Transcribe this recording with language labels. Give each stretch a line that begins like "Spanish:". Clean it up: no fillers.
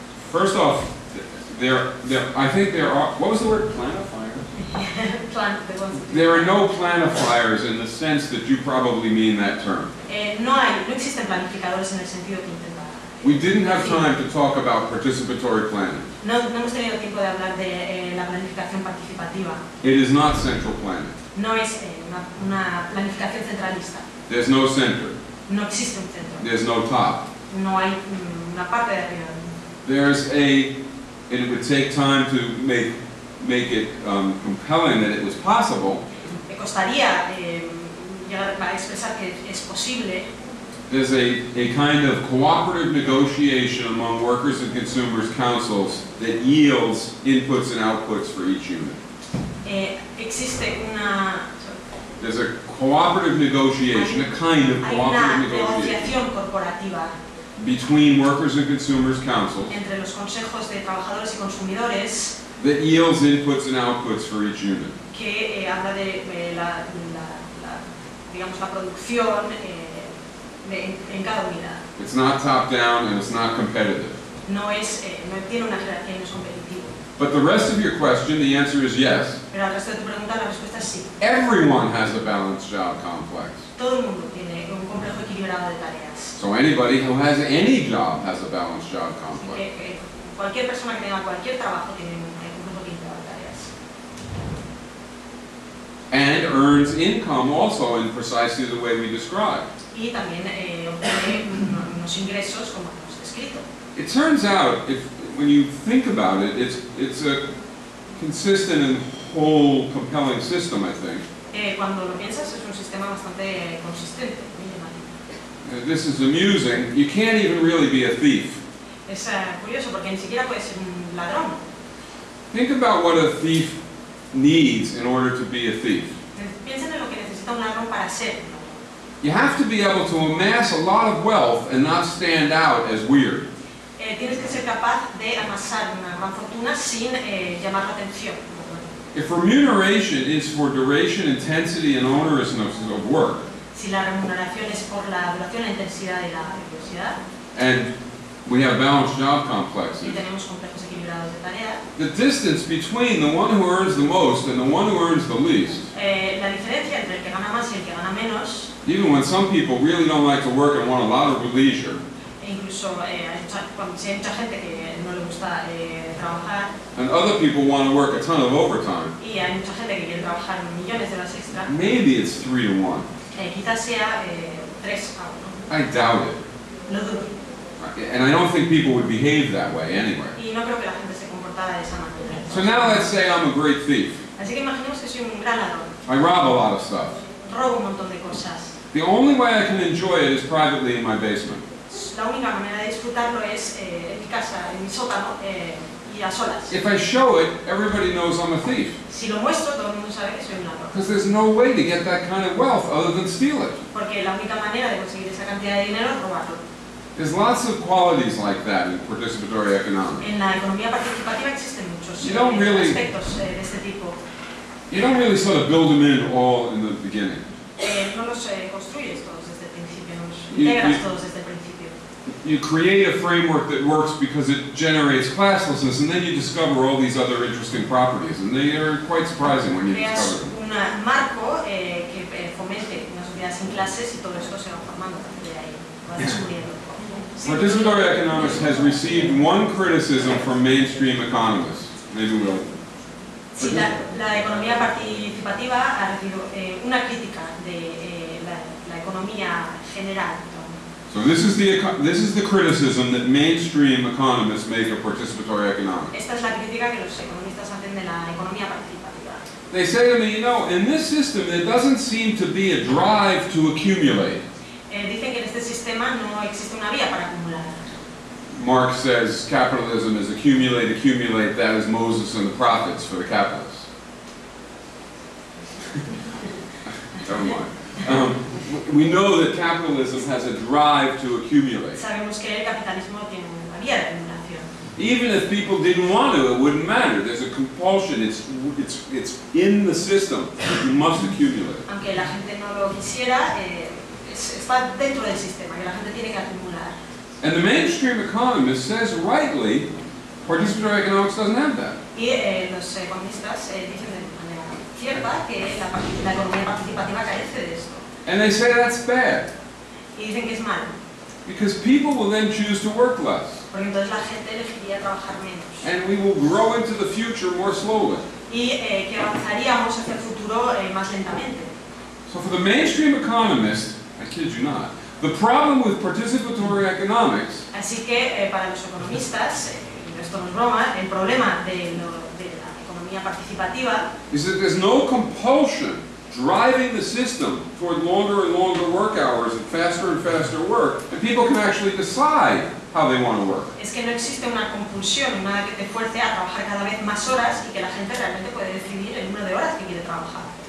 English: First off, there are no planifiers in the sense that you probably mean that term.
Spanish: No existen planificadores en el sentido que intenta.
English: We didn't have time to talk about participatory planning.
Spanish: No hemos tenido tiempo de hablar de la planificación participativa.
English: It is not central planning.
Spanish: No es una planificación centralista.
English: There's no center.
Spanish: No existe un centro.
English: There's no top.
Spanish: No hay una parte de arriba.
English: There's a, and it would take time to make it compelling that it was possible.
Spanish: Me costaría llegar a expresar que es posible.
English: There's a kind of cooperative negotiation among workers and consumers councils that yields inputs and outputs for each unit.
Spanish: Existe una,
English: There's a cooperative negotiation, a kind of cooperative negotiation
Spanish: corporativa
English: between workers and consumers councils
Spanish: entre los consejos de trabajadores y consumidores
English: that yields inputs and outputs for each unit.
Spanish: Que habla de la producción en cada unidad.
English: It's not top down and it's not competitive.
Spanish: No es no tiene una jerarquía, no es competitivo.
English: But the rest of your question, the answer is yes.
Spanish: Pero al resto de tu pregunta, la respuesta es sí.
English: Everyone has a balanced job complex.
Spanish: Todo el mundo tiene un complejo equilibrado de tareas.
English: So anybody who has any job has a balanced job complex.
Spanish: Que, cualquier persona que tenga cualquier trabajo tiene un complejo equilibrado de tareas.
English: And earns income also in precisely the way we described.
Spanish: Y también obtiene unos ingresos como hemos descrito.
English: It turns out, when you think about it, it's a consistent and whole compelling system, I think.
Spanish: Cuando lo piensas, es un sistema bastante consistente, muy llamativo.
English: This is amusing. You can't even really be a thief.
Spanish: Es curioso porque ni siquiera puedes ser un ladrón.
English: Think about what a thief needs in order to be a thief.
Spanish: Piensa en lo que necesita un ladrón para ser.
English: You have to be able to amass a lot of wealth and not stand out as weird.
Spanish: Tienes que ser capaz de amasar una gran fortuna sin llamar la atención.
English: If remuneration is for duration, intensity, and onerousness of work,
Spanish: si la remuneración es por la duración, la intensidad y la velocidad,
English: and we have balanced job complexes,
Spanish: y tenemos complejos equilibrados de tarea,
English: the distance between the one who earns the most and the one who earns the least,
Spanish: la diferencia entre el que gana más y el que gana menos,
English: even when some people really don't like to work and want a lot of leisure,
Spanish: incluso cuando hay mucha gente que no le gusta trabajar,
English: and other people want to work a ton of overtime,
Spanish: y hay mucha gente que quiere trabajar millones de horas extra,
English: maybe it's 3-1.
Spanish: Quizás sea 3-1.
English: I doubt it.
Spanish: Lo dudo.
English: And I don't think people would behave that way anyway.
Spanish: Y no creo que la gente se comportara de esa manera.
English: So now let's say I'm a great thief.
Spanish: Así que imaginemos que soy un gran ladrón.
English: I rob a lot of stuff.
Spanish: Robo un montón de cosas.
English: The only way I can enjoy it is privately in my basement.
Spanish: La única manera de disfrutarlo es en mi casa, en mi sótano, y a solas.
English: If I show it, everybody knows I'm a thief.
Spanish: Si lo muestro, todo el mundo sabe que soy un ladrón.
English: Because there's no way to get that kind of wealth other than steal it.
Spanish: Porque la única manera de conseguir esa cantidad de dinero es robarlo.
English: There's lots of qualities like that in participatory economics.
Spanish: En la economía participativa existen muchos aspectos de este tipo.
English: You don't really sort of build them in all in the beginning.
Spanish: No los construyes todos desde el principio, no los integras todos desde el principio.
English: You create a framework that works because it generates classlessness, and then you discover all these other interesting properties, and they are quite surprising when you discover them.
Spanish: Creas un marco que fomente una sociedad sin clases, y todo esto se va formando de ahí, va descubriendo.
English: Participatory economics has received one criticism from mainstream economists. Maybe we'll.
Spanish: Sí, la economía participativa ha recibido una crítica de la economía general.
English: So this is the criticism that mainstream economists make of participatory economics.
Spanish: Esta es la crítica que los economistas hacen de la economía participativa.
English: They say to me, you know, in this system there doesn't seem to be a drive to accumulate.
Spanish: Dicen que en este sistema no existe una vía para acumular.
English: Marx says capitalism is accumulate, accumulate, that is Moses and the prophets for the capitalists. Never mind. We know that capitalism has a drive to accumulate.
Spanish: Sabemos que el capitalismo tiene una vía de acumulación.
English: Even if people didn't want to, it wouldn't matter. There's a compulsion. It's in the system. You must accumulate.
Spanish: Aunque la gente no lo quisiera, está dentro del sistema que la gente tiene que acumular.
English: And the mainstream economist says rightly, participatory economics doesn't have that.
Spanish: Y los economistas dicen de manera cierta que la economía participativa carece de esto.
English: And they say that's bad.
Spanish: Y dicen que es malo.
English: Because people will then choose to work less.
Spanish: Porque entonces la gente elegiría trabajar menos.
English: And we will grow into the future more slowly.
Spanish: Y que avanzaríamos hacia el futuro más lentamente.
English: So for the mainstream economist, I kid you not, the problem with participatory economics,
Spanish: así que para los economistas, esto no es broma, el problema de la economía participativa,
English: is that there's no compulsion driving the system toward longer and longer work hours and faster work, and people can actually decide how they want to work.
Spanish: Es que no existe una compulsión, nada que te fuerce a trabajar cada vez más horas y que la gente realmente puede decidir el número de horas que quiere trabajar.